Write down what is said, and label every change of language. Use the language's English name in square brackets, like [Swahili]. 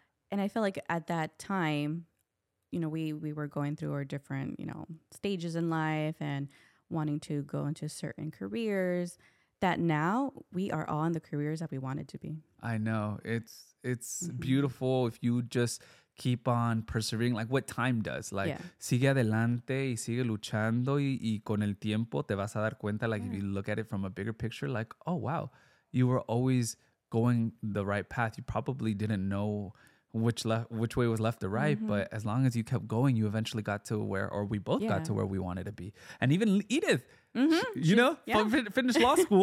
[English] And I feel like at that time, you know, we were going through our different, you know, stages in life. And wanting to go into certain careers, that now we are all in the careers that we wanted to be. I know. It's mm-hmm. beautiful if you just keep on persevering, like what time does. Like, yeah. [Spanish] sigue adelante y sigue luchando y con el tiempo te vas a dar cuenta, [English] like yeah. if you look at it from a bigger picture, like, oh, wow, you were always going the right path. You probably didn't know which way was left or right, mm-hmm. but as long as you kept going, you eventually got to where, or we both yeah. got to where we wanted to be. And even Edith, mm-hmm. finished law school.